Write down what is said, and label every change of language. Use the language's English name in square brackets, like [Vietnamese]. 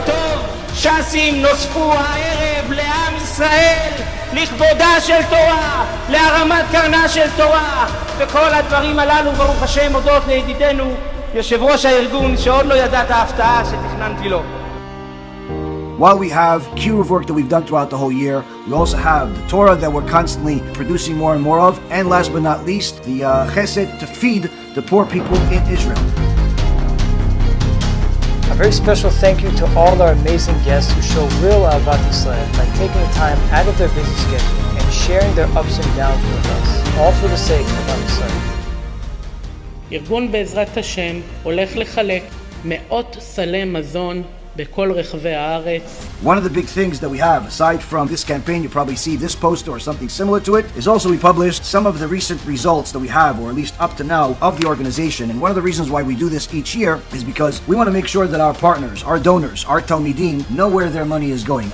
[Hebrew] טוב, ש"סים נוספו הערב לעם ישראל לכבודה של תורה, להרמת קרנה של תורה, וכל הדברים הללו ברוך השם הודות לידידנו יושב ראש הארגון, שעוד לא ידע את ההפתעה שתכננתי לו. [English] While we have Kiruv work that we've done throughout the whole year, we also have the Torah that we're constantly producing more and more of, and last but not least, the Chesed to feed the poor people in Israel. A very special thank you to all our amazing guests who show real Ahavat Yisrael by taking the time out of their busy schedule and sharing their ups and downs with us, all for the sake of our Yisrael. [Hebrew] ארגון בעזרת השם הולך לחלק מאות סלי מזון בכל רחבי הארץ. [English] One of the big things that we have, aside from this campaign, you probably see this poster or something similar to it, is also we published some of the recent results that we have, or at least up to now, of the organization. And one of the reasons why we do this each year is because we want to make sure that our partners, our donors, our Talmidim, know where their money is going.